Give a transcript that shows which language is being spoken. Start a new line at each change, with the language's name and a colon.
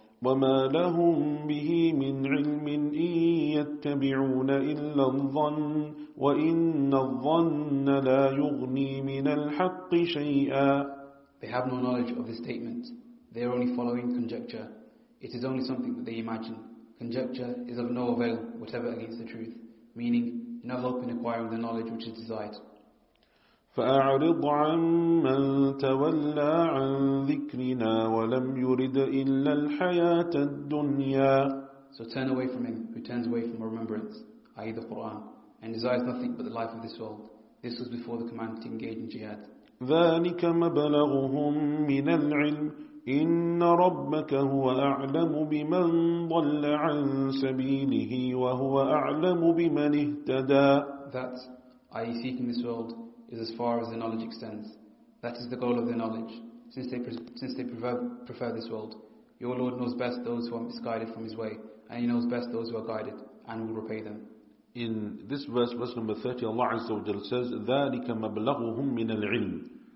Arabic: وَمَا لَهُمْ بِهِ مِنْ عِلْمٍ إِنْ يَتَّبِعُونَ إِلَّا الظَّنَّ وَإِنَّ الظَّنَّ لَا يُغْنِي مِنَ الْحَقِّ شَيْئًا.
English: They have no knowledge of this statement. They are only following conjecture. It is only something that they imagine. Conjecture is of no avail whatever against the truth, meaning no help in acquiring the knowledge which is desired.
Arabic: فأعرض عن من تولى عن ذكرنا ولم يرد إلا الحياة الدنيا.
English: So turn away from him who turns away from remembrance, i.e. the Quran, and desires nothing but the life of this world. This was before the command to engage in jihad.
Arabic: ذلك مبلغهم من العلم إن ربك هو أعلم بمن ضل عن سبيله وهو أعلم بمن اهتدى.
English: That, i.e. seeking this world, is as far as the knowledge extends. That is the goal of their knowledge. Since they prefer this world, your Lord knows best those who are misguided from His way, and He knows best those who are guided, and will repay them. In this verse number 30, Allah Azza wa Jalla says,
Arabic: ذَلِكَ مَبْلَغُهُمْ مِنَ الْعِلْمِ.